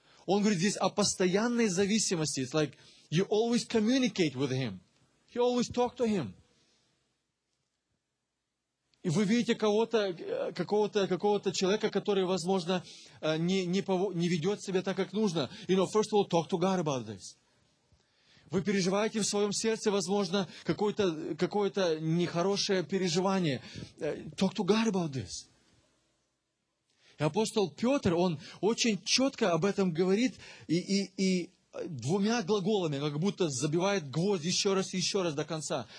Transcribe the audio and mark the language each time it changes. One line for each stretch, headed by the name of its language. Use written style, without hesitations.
Russian: Он говорит здесь о постоянной зависимости.
English: It's like you always communicate with him. You always talk to him.
Russian: И вы видите кого-то, какого-то человека, который, возможно, не ведет себя так, как нужно.
English: You know, first of all, talk to God about this.
Russian: Вы переживаете в своем сердце, возможно, какое-то нехорошее переживание.
English: Talk to God about this.
Russian: И апостол Петр, он очень четко об этом говорит и двумя глаголами, как будто забивает гвоздь еще раз до конца.